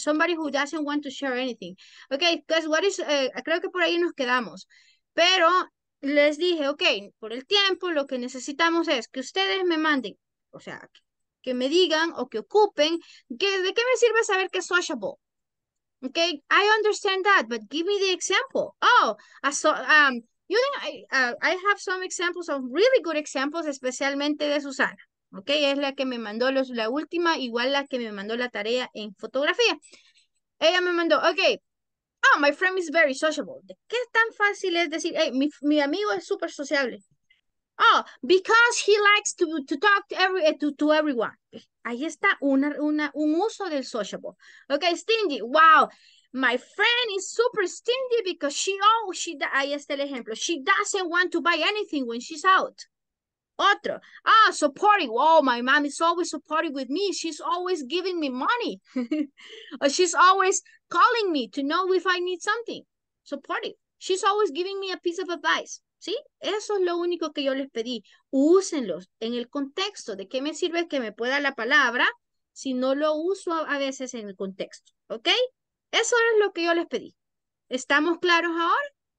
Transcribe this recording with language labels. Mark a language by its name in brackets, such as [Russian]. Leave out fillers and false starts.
[English] Somebody who doesn't want to share anything. Okay, because what is, [Spanish] creo que por ahí nos quedamos. Pero les dije, okay, por el tiempo lo que necesitamos es que ustedes me manden, o sea, que que me digan o que ocupen, que, ¿de qué me sirve saber que es sociable? [English] Okay, I understand that, but give me the example. Oh, I have some examples of really good examples, [Spanish] especialmente de Susana. Okay, es la que me mandó la última, igual la que me mandó la tarea en fotografía. Ella me mandó, [English] okay, oh, my friend is very sociable. [Spanish] ¿De qué tan fácil es decir, hey, mi amigo es súper sociable? [English] Oh, because he likes to talk to everyone. [Spanish] Ahí está un uso del sociable. Okay, stingy. Wow. [English] My friend is super stingy because [Spanish] ahí está el ejemplo. [English] She doesn't want to buy anything when she's out. [Spanish] Otro. [English] Ah, supportive. Oh, my mom is always supportive with me. She's always giving me money. She's always calling me to know if I need something. Supportive. She's always giving me a piece of advice. ¿Sí? [Spanish] Eso es lo único que yo les pedí. Úsenlos en el contexto. ¿De qué me sirve que me pueda la palabra si no lo uso a veces en el contexto? ¿Ok? Eso es lo que yo les pedí. ¿Estamos claros ahora?